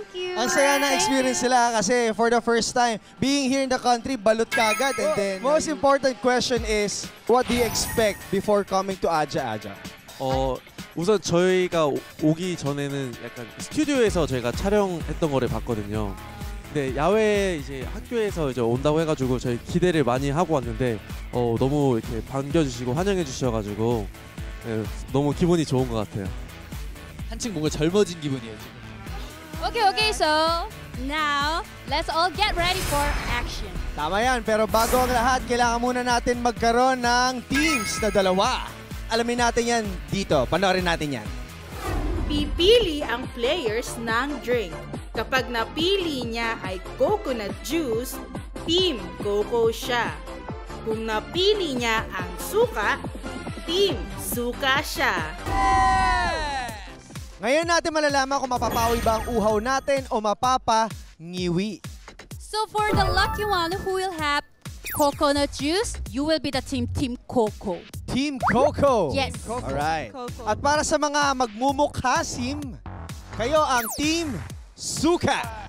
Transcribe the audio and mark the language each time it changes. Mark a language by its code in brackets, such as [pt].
[tl] Ang saya na [en] experience [tl] sila kasi [en] for the first time being here in the country, [tl] balut kagad. [en] And then, most important question is, what do you expect before coming to Aja Aja? [ko] 우선 저희가 오기 전에는 약간 스튜디오에서 저희가 촬영했던 거를 봤거든요. 근데 야외 이제 학교에서 이제 온다고 해가지고 저희 기대를 많이 하고 왔는데 너무 이렇게 반겨주시고 환영해 주셔가지고 너무 기분이 좋은 것 같아요. 한층 뭔가 젊어진 기분이에요 지금. [en] Okay, okay, so now let's all get ready for action. [tl] Tama yan, pero bago ang lahat, kailangan muna natin magkaroon ng teams na dalawa. Alamin natin yan dito. Panoorin natin yan. Pipili ang players ng drink. Kapag napili niya ay coconut juice, Team Coco siya. Kung napili niya ang suka, Team Suka siya. Yeah! Ngayon natin malalaman kung mapapawi ba ang uhaw natin o mapapangiwi. [en] So for the lucky one who will have coconut juice, you will be the team Coco. Team Coco. Yes. Team Coco. All right. [tl] Team Coco. At para sa mga magmumukhasim, kayo ang team Suka.